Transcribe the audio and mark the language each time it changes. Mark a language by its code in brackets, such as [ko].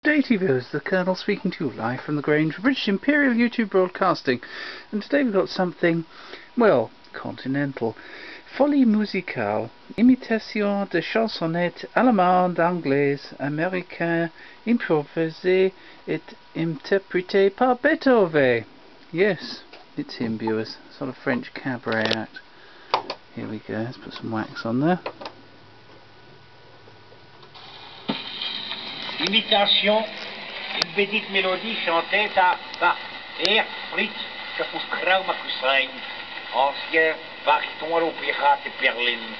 [en] Hey viewers, the Colonel speaking to you live from the Grange, British Imperial YouTube Broadcasting. And today we've got something, well, continental. [fr] Folies musicales, Imitations de Chansonnettes, Allamande, Anglais, Americaine, Improvisees et Interpretees par Betove. [en] Yes, it's him viewers, sort of French cabaret act. Here we go, let's put some wax on there. [fr] Imitation, une petite mélodie chantée par Air Fritz Kapuskraumakusein, ancien bariton à l'Opéra de Berlin.